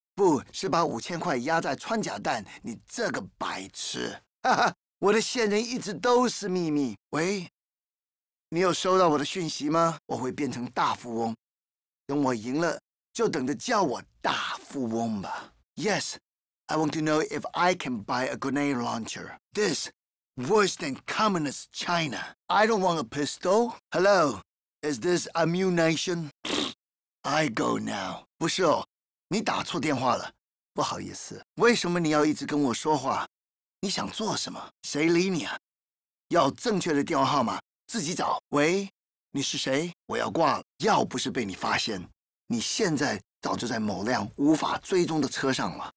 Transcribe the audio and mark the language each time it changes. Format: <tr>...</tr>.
<zh>不是把5000块压在穿甲弹，你这个白痴。哈哈，我的线人一直都是秘密。喂。你有收到我的讯息吗？我会变成大富翁，等我赢了就等着叫我大富翁吧。</zh> <en>Yes, I want to know if I can buy a grenade launcher. This worse than communist China. I don't want a pistol. Hello, is this ammunition? I go now.</en> <zh>不是哦，你打错电话了，不好意思。为什么你要一直跟我说话？你想做什么？谁理你啊？要正确的电话号码自己找。喂，你是谁？我要挂了。要不是被你发现，你现在早就在某辆无法追踪的车上了。</zh>